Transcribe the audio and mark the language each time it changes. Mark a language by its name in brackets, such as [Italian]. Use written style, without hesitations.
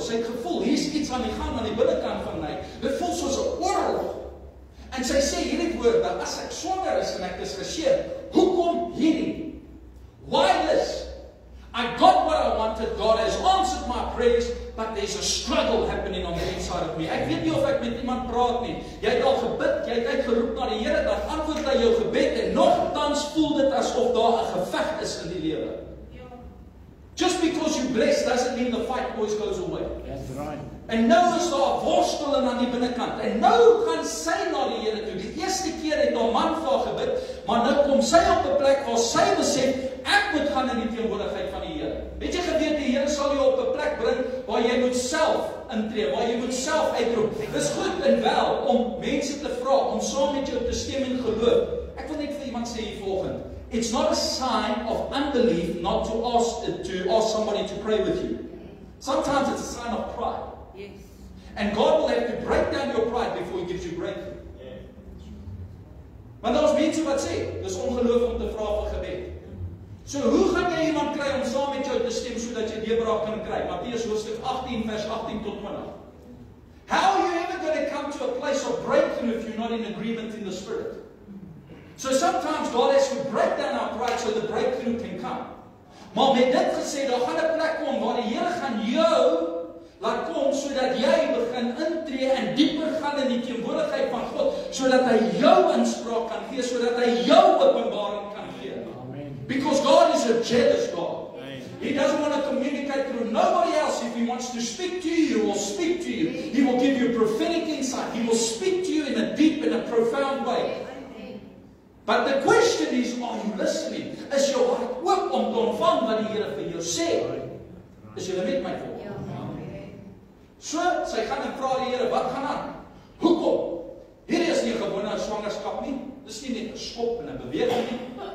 [Afrikaans] Sy gevoel, hier's iets aan die gang aan die binnekant van my. Dit voel soos 'n oorlog. En sy sê hierdie woord dat as ek swanger is en ek is geseer, hoekom hierdie? [English] Why this? I got what I wanted. God has answered my prayers, but there's a struggle happening on the inside of me. [Afrikaans] Ek weet nie of ek met iemand praat nie. Jy het al gebid, jy het uitgeroep na die Here, dan antwoord hy jou gebed en nogtans voel dit asof daar 'n geveg is in die lewe. [English] Just because you bless doesn't mean the fight always goes away. That's right. [Afrikaans] En nou is daar worsteling aan die binnenkant. En nou gaan sy na die Here toe. Die eerste keer het haar man vir haar gebid, maar nou kom sy op 'n plek waar sy besef, ek moet gaan in die teenwoordigheid van die Here. Het jy geweet die Here sal jou op 'n plek bring waar jy moet self intree, waar jy moet self uitroep. Dis goed en wel om mense te vra om saam met jou te stem in geloof. Ek wil net vir iemand sê hier volgende. [English] It's not a sign of unbelief not to ask somebody to pray with you. Sometimes it's a sign of pride. And God will have to break down your pride before he gives you breakthrough. [Afrikaans] Want daar's mense wat sê, dis ongeloof om te vra vir gebed. So hoe gaan jy iemand kry om saam met jou te stem sodat jy deurbraak kan kry? Matteus hoofstuk 18 vers 18 tot 20. [English] How are you ever going to come to a place of breakthrough if you're not in agreement in the spirit? So sometimes God has to break down our pride so the breakthrough can come. [Afrikaans] Maar met dit gesê, daar gaan 'n plek kom waar die Here gaan jou laat kom sodat jy begin intree en dieper gaan in die teenwoordigheid van God sodat hy jou inspraak kan gee, sodat hy jou openbaring kan gee. Amen. [English] Because God is a jealous God. Amen. He doesn't want to communicate through nobody else. If he wants to speak to you, he will speak to you. He will give you prophetic insight. He will speak to you in a deep and a profound way. But the question is, are you listening? [Afrikaans] Is jou hart oop om te ontvang wat die Here vir jou sê? Is jy met my volk? So, sy gaan en vra die Here, wat gaan aan? Hoekom? Hierdie is nie 'n gewone swangerskap nie. Dis nie net 'n skop en 'n beweging nie.